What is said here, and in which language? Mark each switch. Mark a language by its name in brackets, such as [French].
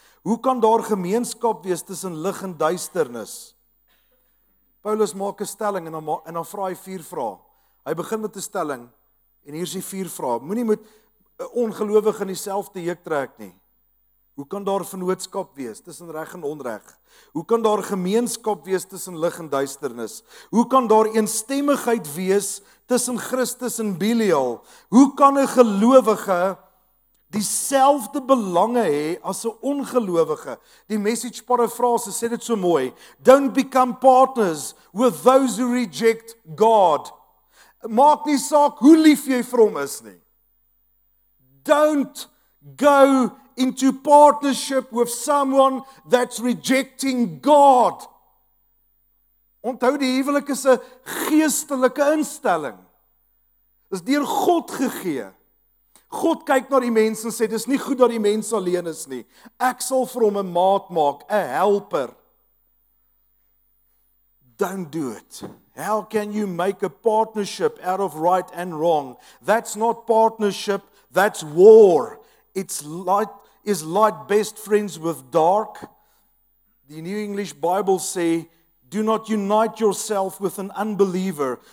[Afrikaans] Hoe kan daar gemeenskap wees tussen lig en duisternis? Paulus maak 'n stelling en dan vra hy 4 vrae. Hy begin met 'n stelling en hier is die 4 vrae. Moenie met 'n ongelowige in dieselfde juk trek nie. Hoe kan daar vennootskap wees tussen reg en onreg? Hoe kan daar gemeenskap wees tussen lig en duisternis? Hoe kan daar eensstemmigheid wees tussen Christus en Belial? Hoe kan 'n gelowige dieselfde belange hê as 'n ongelowige? Die Message parafrase sê dit so mooi: [English] Don't become partners with those who reject God. [Afrikaans] Maak nie saak hoe lief jy vir hom is nie. [English] Don't go into partnership with someone that's rejecting God. [Afrikaans] Onthou, die huwelik is 'n geestelike instelling. Dis deur God gegee. God kyk na die mens en sê, dis nie goed dat die mens alleen is nie. Ek sal vir hom 'n maat maak, 'n helper. [English] Don't do it. How can you make a partnership out of right and wrong? That's not partnership, that's war. It's like is light best friends with dark? The New English Bible say, do not unite yourself with an unbeliever.